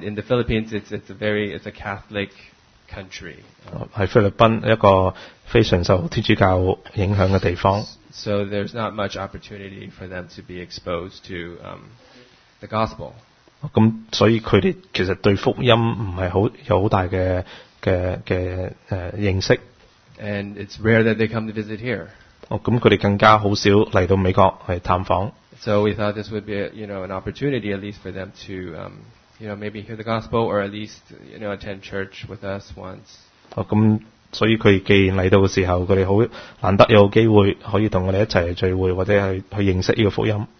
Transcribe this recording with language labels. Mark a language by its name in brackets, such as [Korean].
[English] And in the Philippines, it's a Catholic country. [Cantonese] 喺菲律賓一個非常受天主教影響嘅地方。 [English] So there's not much opportunity for them to be exposed to the gospel. [Cantonese] 咁所以佢哋其實對福音唔係好有好大嘅認識。 [English] And it's rare that they come to visit here. [Cantonese] 咁佢哋更加好少嚟到美國去探訪。 [English] So we thought this would be, you know, an opportunity at least for them to, you know, maybe hear the gospel or at least, you know, attend church with us once. [Cantonese] 咁所以佢既然嚟到嘅時候，佢哋好難得有機會可以同我哋一齊聚會，或者去認識呢個福音。